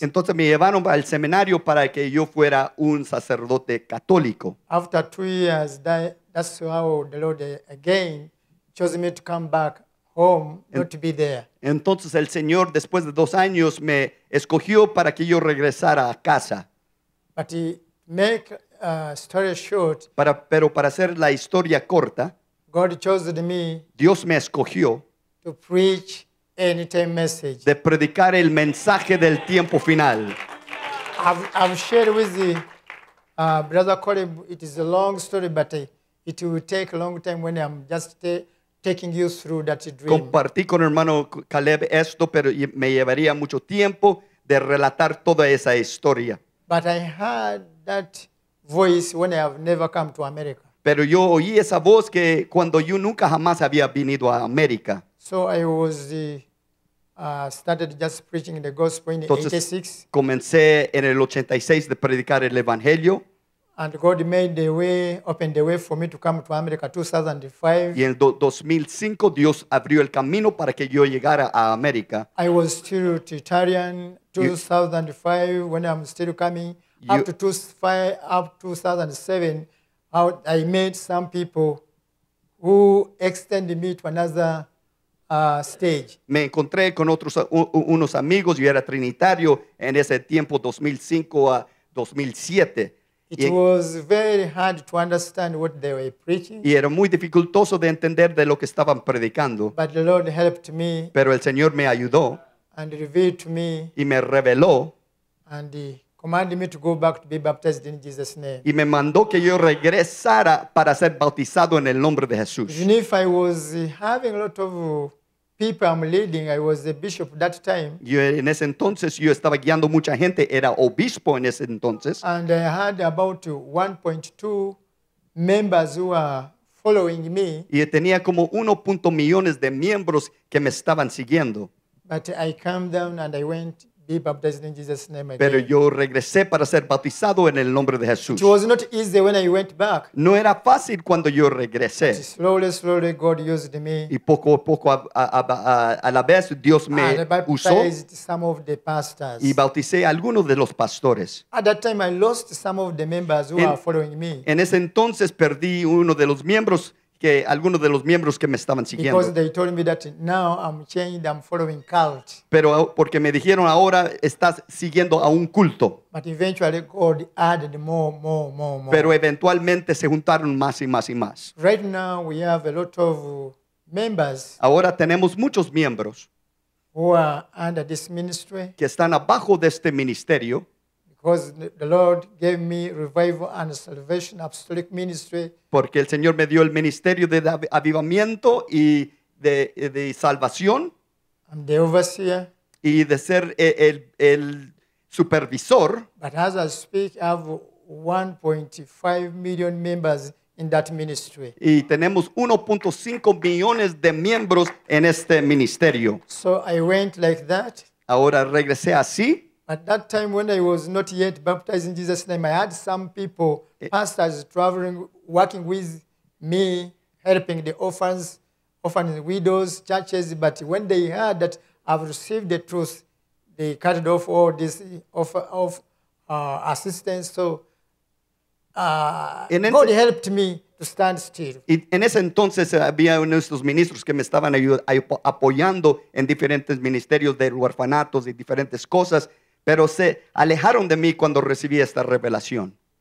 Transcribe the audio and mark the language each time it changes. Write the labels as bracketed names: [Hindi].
[Spanish] Entonces me llevaron al seminario para que yo fuera un sacerdote católico. [English] After 2 years, that's how the Lord again chose me to come back home, not to be there. [Spanish] Entonces el Señor después de 2 años me escogió para que yo regresara a casa. [English] But to make a story short, [Spanish] pero para hacer la historia corta, [English] God chose me. [Spanish] Dios me escogió [English] to preach. Anytime message. [Spanish] De predicar el mensaje del tiempo final. [English] I've shared with the brother Colin. It is a long story, but it will take a long time when I'm just taking you through that dream. [Spanish] Compartí con hermano Caleb esto, pero me llevaría mucho tiempo de relatar toda esa historia. [English] But I heard that voice when I have never come to America. [Spanish] Pero yo oí esa voz que cuando yo nunca jamás había venido a América. [English] So I was started just preaching the gospel in [Spanish] Entonces, 86. Comencé en el 86 de predicar el evangelio. [English] And God made the way, opened the way for me to come to America 2005. [Spanish] Y en 2005 Dios abrió el camino para que yo llegara a América. [English] I was still Trinitarian 2005 when I'm still coming up to 2007. I met some people who extended me to another stage. [Spanish] Me encontré con otros unos amigos. Yo era trinitario en ese tiempo, 2005 a 2007. [English] It was very hard to understand what they were preaching. [Spanish] Y era muy dificultoso de entender de lo que estaban predicando. [English] But the Lord helped me. [Spanish] Pero el Señor me ayudó. [English] And revealed to me. [Spanish] Y me reveló. [English] And he commanded me to go back to be baptized in Jesus' name. [Spanish] Y me mandó que yo regresara para ser bautizado en el nombre de Jesús. [English] Even if I was having a lot of people I'm leading, I was a bishop that time. [Spanish] Yo, en ese entonces yo estaba guiando mucha gente, era obispo en ese entonces. [English] And I had about 1.2 members who were following me. [Spanish] Y tenía como 1.2 millones de miembros que me estaban siguiendo. [English] But I came down and I went. Be baptized in Jesus' name again. [Spanish] Pero yo regresé para ser bautizado en el nombre de Jesús. [English] It was not easy when I went back. [Spanish] No era fácil cuando yo regresé. [English] But slowly, slowly, God used me. [Spanish] Y poco a poco, a la vez, Dios me usó. [English] I baptized some of the pastors. [Spanish] Y bauticé algunos de los pastores. [English] At that time, I lost some of the members who are following me. [Spanish] En ese entonces, perdí uno de los miembros. Que algunos de los miembros que me estaban siguiendo. [English] Because they told me that now I'm changed, I'm following cult. [Spanish] Pero porque me dijeron ahora estás siguiendo a un culto. [English] But eventually God added more. [Spanish] Pero eventualmente se juntaron más y más y más. [English] Right now we have a lot of members. [Spanish] Ahora tenemos muchos miembros. [English] Who are under this ministry. [Spanish] Que están abajo de este ministerio. [English] Because the Lord gave me revival and salvation apostolic ministry. [Spanish] Porque el Señor me dio el ministerio de avivamiento y de salvación. [English] I'm the overseer. [Spanish] Y de ser el supervisor. [English] But as I speak, I have 1.5 million members in that ministry. [Spanish] Y tenemos 1.5 millones de miembros en este ministerio. [English] So I went like that. [Spanish] Ahora regresé así. [English] At that time when I was not yet baptized in Jesus' name, I had some people, pastors traveling, working with me, helping the orphans, orphaning widows, churches. But when they heard that I've received the truth, they cut off all this assistance. So God helped me to stand still. [Spanish] En ese entonces había nuestros ministros que me estaban apoyando en diferentes ministerios de orfanatos y diferentes cosas. Pero se alejaron de mí cuando recibí esta revelación.